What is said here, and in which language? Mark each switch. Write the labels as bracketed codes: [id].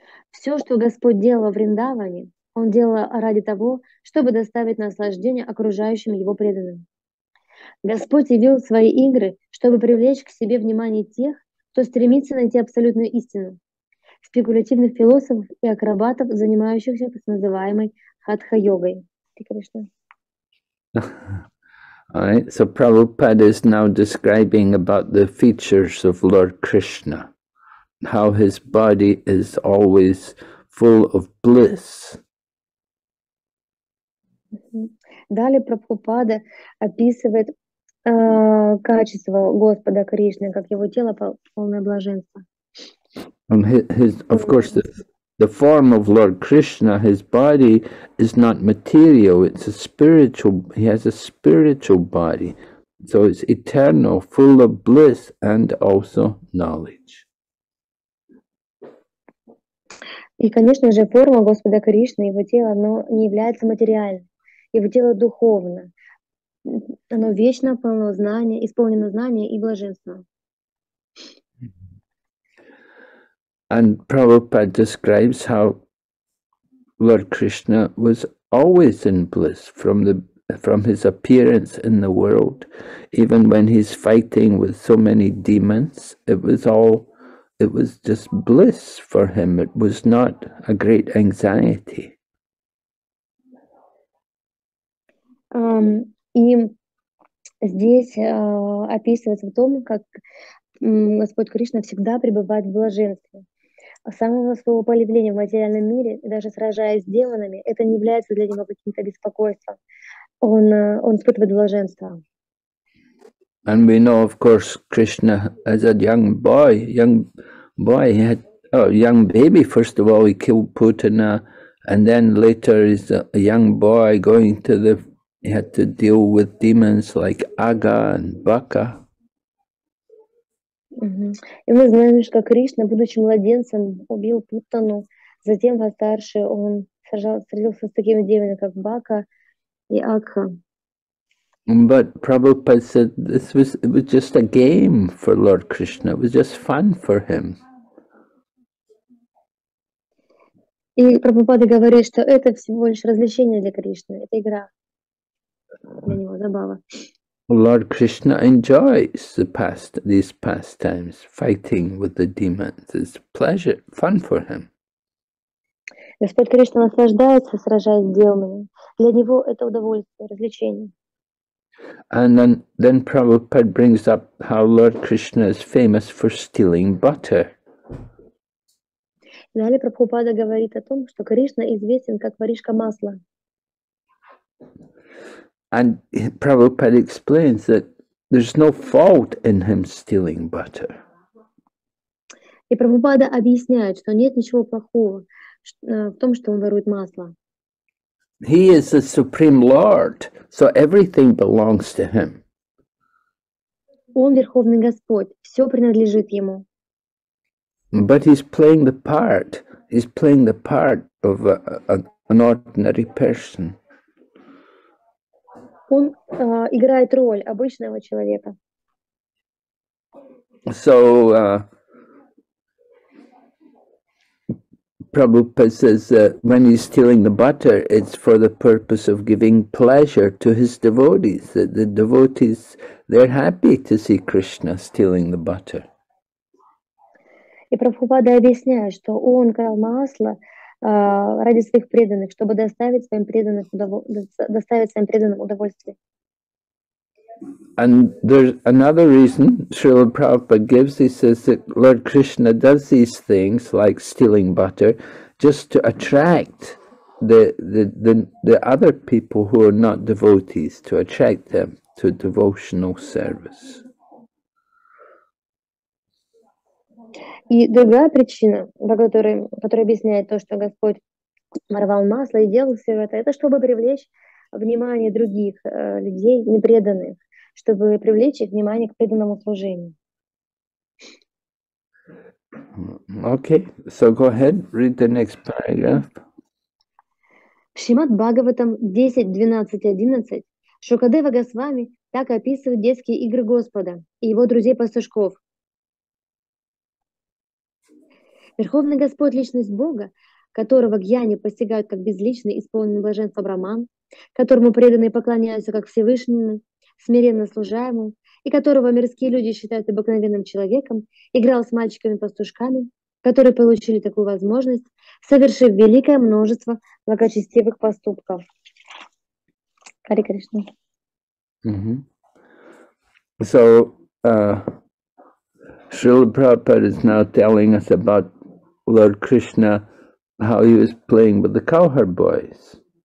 [ru] Все, что Господь делал во Вриндаване, Он делал ради того, чтобы доставить наслаждение окружающим Его преданным. Господь явил свои игры, чтобы привлечь к себе внимание тех, кто стремится найти абсолютную истину, спекулятивных философов и акробатов, занимающихся так называемой хатха-йогой. Кришна. [en] All right. So Prabhupada is now describing about the features of Lord Krishna. How his body is always full of bliss. [ru] Далее Прабхупада описывает качество Господа Кришны, как его тело полное блаженства. [en] And his, of course, the form of Lord Krishna, his body is not material, it's a spiritual, he has a spiritual body. So it's eternal, full of bliss and also knowledge. [ru] И, конечно же, форма Господа Кришны, его тело, оно не является материальным. Его тело духовно. Оно вечно полно знания, исполнено знания и блаженства. [en] And Prabhupada describes how Lord Krishna was always in bliss from his appearance in the world, even when he's fighting with so many demons. It was just bliss for him. It was not a great anxiety. [ru] И здесь описывается в том, как Господь Кришна всегда пребывает в блаженстве. С самого своего появления в материальном мире, даже сражаясь с демонами, это не является для него каким-то беспокойством. Он испытывает блаженство. [en] And we know, of course, Krishna as a young boy, young baby, first of all, he killed Putana, and then later he's a young boy going to the, he had to deal with demons like Aga and Baka. [ru] И мы знаем, что Кришна, будучи младенцем, убил Путану, затем во старше он сражался с такими демонами, как Бака и Акха. [en] But Prabhupada said this was, it was just a game for Lord Krishna, it was just fun for him. [ru] И Прабхупада говорит, что это всего лишь развлечение для Кришны, это игра для него, забава. [en] Lord Krishna enjoys the past, these pastimes, fighting with the demons. It's pleasure, fun for him. [ru] Господь Кришна наслаждается, сражаясь с демонами. Для него это удовольствие, развлечение. [en] And then Prabhupada brings up how Lord Krishna is famous for stealing butter. [ru] Далее Прабхупада говорит о том, что Кришна известен как воришка масла. [en] And Prabhupada explains that there's no fault in him stealing butter. [ru] И Прабхупада объясняет, что нет ничего плохого в том, что он ворует масло. [en] He is the Supreme Lord, so everything belongs to him. [ru] Он Верховный Господь, все принадлежит ему. [en] But he's playing the part of an ordinary person. [ru] Он играет роль обычного человека. [en] So, Prabhupada says that when he's stealing the butter, it's for the purpose of giving pleasure to his devotees, that the devotees, they're happy to see Krishna stealing the butter. [ru] И Прабхупада объясняет, что он крал масло ради своих преданных, чтобы доставить своим преданным удовольствие. [en] And there's another reason Srila Prabhupada gives. He says that Lord Krishna does these things, like stealing butter, just to attract the other people who are not devotees, to attract them to devotional service. [ru] И другая причина, которая объясняет то, что Господь воровал масло и делал все это чтобы привлечь внимание других людей, непреданных, чтобы привлечь их внимание к преданному служению. [en] Okay, so go ahead, read the next paragraph. [ru] В Шримад Бхагаватам 10.12.11 Шукадева Госвами так описывает детские игры Господа и его друзей-пастушков. Верховный Господь – личность Бога, которого гьяни постигают как безличный, исполненный блаженства Брахман, которому преданные поклоняются как Всевышнему, смиренно служа ему, и которого мирские люди считают обыкновенным человеком, играл с мальчиками-пастушками, которые получили такую возможность, совершив великое множество благочестивых поступков. Хари Кришна. [en] So, Srila Prabhupada is now telling us about Lord Krishna, how he was playing with the cowherd boys.